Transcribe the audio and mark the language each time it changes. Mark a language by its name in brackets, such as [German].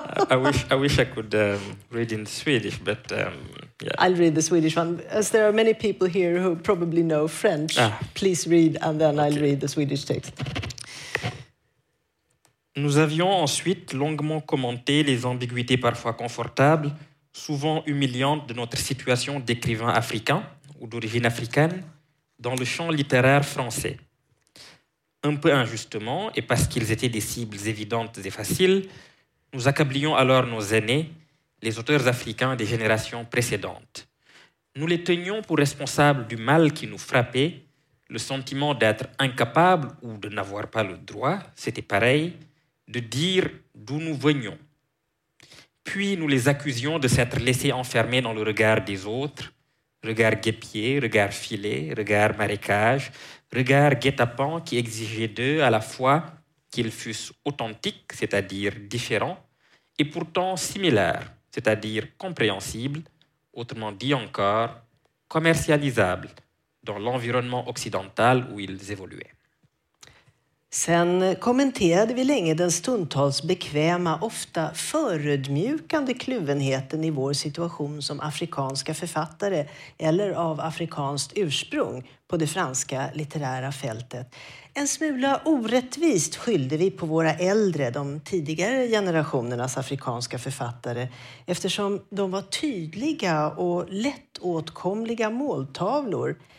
[English] I wish I could read in Swedish, but yeah. I'll read the Swedish one. As there are many people here who probably know French, please read and then I'll read the Swedish text. [French] Nous avions ensuite longuement commenté les ambiguïtés parfois confortables, souvent humiliantes de notre situation d'écrivain africain ou d'origine africaine dans le champ littéraire français. Un peu injustement, et parce qu'ils étaient des cibles évidentes et faciles, nous accablions alors nos aînés, les auteurs africains des générations précédentes. Nous les tenions pour responsables du mal qui nous frappait, le sentiment d'être incapables ou de n'avoir pas le droit, c'était pareil, de dire d'où nous venions. Puis nous les accusions de s'être laissés enfermer dans le regard des autres, regard guépier, regard filet, regard marécage, regard guet-apens qui exigeait d'eux à la fois qu'ils fussent authentiques, c'est-à-dire différents, et pourtant similaires, c'est-à-dire compréhensibles, autrement dit encore commercialisables, dans l'environnement occidental où ils évoluaient. [Swedish] Sen kommenterade vi länge den stundtals bekväma, ofta förödmjukande kluvenheten i vår situation som afrikanska författare eller av afrikanskt ursprung på det franska litterära fältet. En smula orättvist skyllde vi på våra äldre, de tidigare generationernas afrikanska författare, eftersom de var tydliga och lättåtkomliga måltavlor.